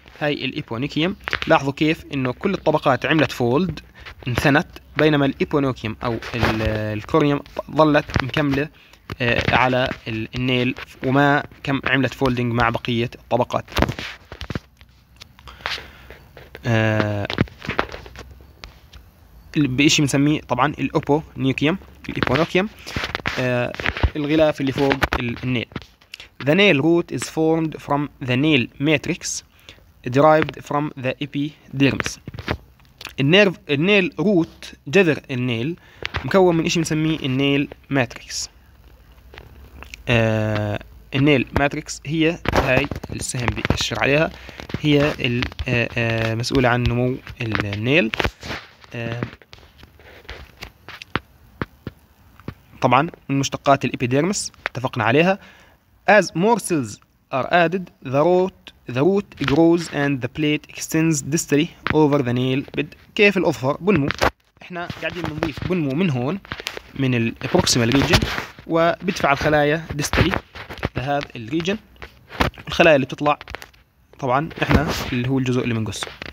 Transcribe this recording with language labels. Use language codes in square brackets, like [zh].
[ar] هاي الايبونيكيوم لاحظوا كيف انه كل الطبقات عملت فولد انثنت، بينما الإيبونوكيوم أو الكورنيوم ظلت مكملة على النيل وما كم عملت فولدينج مع بقية الطبقات. بإشي نسميه طبعا الإيبونوكيوم الغلاف اللي فوق النيل. [en] The nail root is formed from the nail matrix derived from the epidermis. [ar] النيرف النيل روت جذر النيل مكون من شيء بنسميه النيل ماتريكس. النيل ماتريكس هي هاي السهم بيأشر عليها، هي المسؤولة عن نمو النيل. طبعا من مشتقات الإبيديرمس اتفقنا عليها. [en] as more cells are added the root grows and the plate extends distally over the nail bed. [ar] كيف الأظفر بنمو؟ احنا قاعدين نضيف بنمو من هون من الـ proximal region وبدفع الخلايا distally لهذا الـ region، والخلايا اللي بتطلع طبعا احنا اللي هو الجزء اللي منقصه.